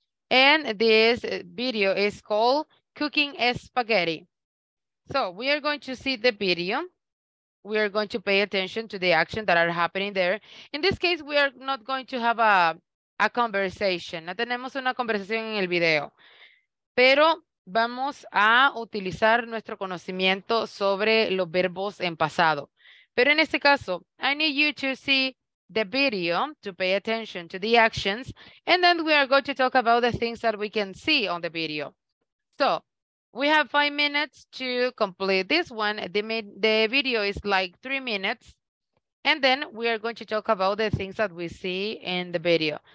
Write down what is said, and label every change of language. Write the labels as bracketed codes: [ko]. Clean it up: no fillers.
[en] And this video is called Cooking Spaghetti. So we are going to see the video. we are going to pay attention to the actions that are happening there. In this case, we are not going to have a conversation. [es] No tenemos una conversación en el video. Pero vamos a utilizar nuestro conocimiento sobre los verbos en pasado. Pero en este caso, [en] I need you to see the video to pay attention to the actions. And then we are going to talk about the things that we can see on the video. So we have 5 minutes to complete this one. The video is like 3 minutes. And then we are going to talk about the things that we see in the video.